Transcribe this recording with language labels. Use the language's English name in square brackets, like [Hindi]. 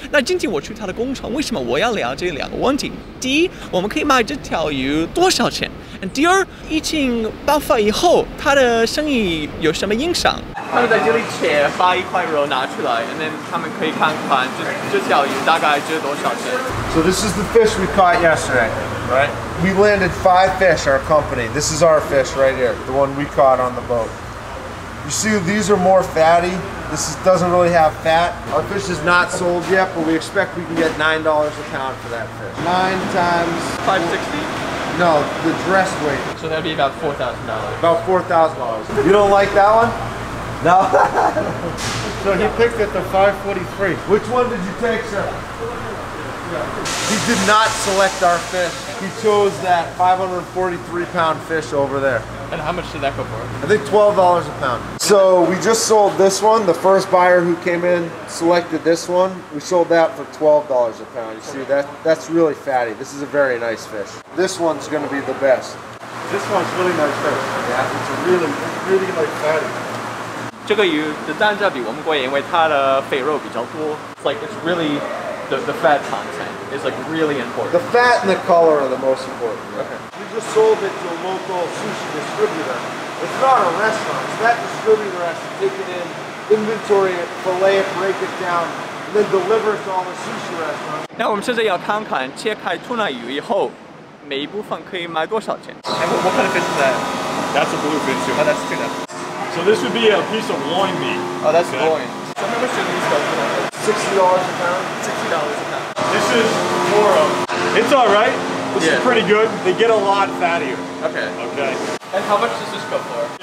[Chinese] 那今天我去他的工厂，为什么我要聊这两个问题？第一，我们可以卖这条鱼多少钱？第二，疫情爆发以后他的生意有什么影响？他们在这里切发一块肉拿出来，然后他们可以看看 这条鱼大概值多少钱。 [English] So this is the fish we caught yesterday, right? We landed 5 fish, our company. This is our fish right here, the one we caught on the boat. You see, these are more fatty. This is, doesn't really have fat. Our fish is not sold yet, but we expect we can get $9 a pound for that fish. 9 times... 560? No, the dress weight. So that'd be about $4,000. About $4,000. You don't like that one? No? So he picked at the 543. Which one did you take, sir? He did not select our fish. He chose that 543 pound fish over there. And how much did that go for? I think $12 a pound. So we just sold this one. The first buyer who came in selected this one. We sold that for $12 a pound. You see, that's really fatty. This is a very nice fish. This one's going to be the best. This one's really nice fish. Yeah, it's really like fatty. [Chinese] 这个鱼的单价比我们贵，因为它的肥肉比较多。 [English] It's like it's really the fat content is like really important. The fat and the color are the most important. Okay. We just sold it to a local sushi distributor. It's not a restaurant. So that distributor has to take it in, inventory it, fillet it, break it down, and then deliver it to all the sushi restaurants. [Chinese] 那我们现在要看看切开吐纳鱼以后，每一部分可以卖多少钱。 [English] What kind of fish is that? That's a bluefin tuna. That's tuna. So this would be a piece of loin meat. Oh, that's loin. So how much do these go for? $60 a pound? $60 a pound. This is more of... It's all right. This is pretty good. They get a lot fattier. Okay. And how much does this go for?